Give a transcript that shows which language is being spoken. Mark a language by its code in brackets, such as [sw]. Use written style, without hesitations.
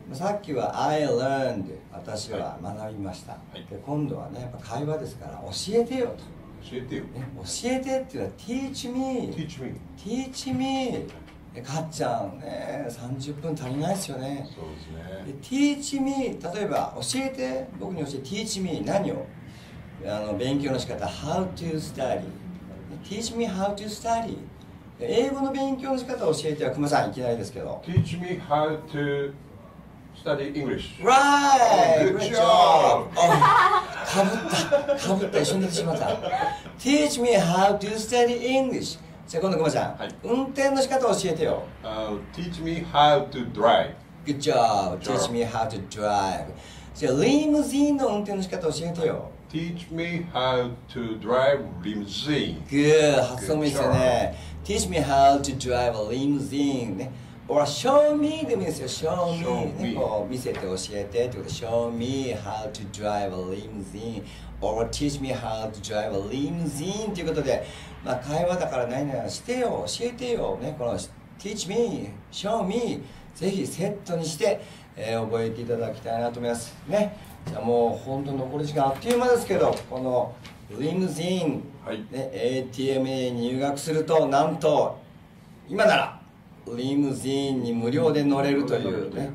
[ja] さっきは [en] I learned、 [ja] 私は学びました。はい、で今度はね、やっぱ会話ですから、教えてよと。教えてよ、ね、教えてっていうのは [en] teach me、 teach me、 teach me。 [ja] かっちゃんね、30分足りないですよね。そうですね。で [en] teach me、 [ja] 例えば教えて、僕に教えて、 [en] teach me [ja] 何を、勉強の仕方、 [en] How to study、 Teach me how to study。 [ja] 英語の勉強の仕方を教えては、熊さん、いきなりですけど、 [en] Teach me how to study English。 Right! Good job! [ja] かぶった、かぶった、一緒に出てしまった。 [en] Teach me how to study English。 [ja] じゃあ今度、熊さん、はい、運転の仕方を教えてよ。 [en] Teach me how to drive。 Good job! Teach me how to drive。 [ja] じゃあリムジンの運転の仕方を教えてよ。 [en] Teach me how to drive limousine. Good, [ja] 発音もいいですよね。 [en] Teach me how to drive a limousine.、ね、or show me [ja] でもいいですよ。 [en] Show me, show me.、 [ja] ね、こう見せて教えてってことで、 [en] Show me how to drive a limousine. Or teach me how to drive a limousine. [ja] ということで、まあ、会話だから何々してよ、教えてよ、ね、この [en] Teach me, show me. [ja] ぜひセットにして、覚えていただきたいなと思います。ね、じゃあもう本当に残り時間あっという間ですけど、このリムジーン、はい、ね、ATMA に入学すると、なんと今ならリムジーンに無料で乗れるという ね、